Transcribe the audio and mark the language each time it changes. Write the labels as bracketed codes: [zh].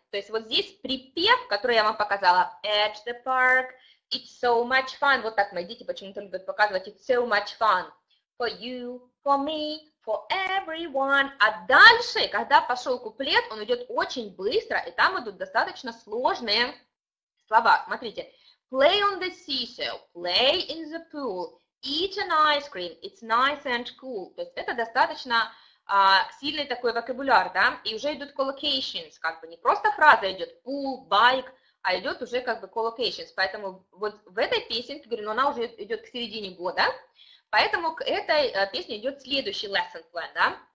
[ru] То есть вот здесь припев, который я вам показала, [en] at the park, it's so much fun, [ru] вот так мои дети почему-то любят показывать, [en] it's so much fun, for you, for me, for everyone. [ru] А дальше, когда пошел куплет, он идет очень быстро, и там идут достаточно сложные слова. Смотрите, [en] play on the seashell, play in the pool, eat an ice cream, it's nice and cool. [ru] То есть это достаточно сильный такой вокабуляр, да, и уже идут collocations, как бы не просто фраза идет, pool, bike, а идет уже как бы collocations, поэтому вот в этой песенке, говорю, но она уже идет к середине года, поэтому к этой песне идет следующий lesson plan, да,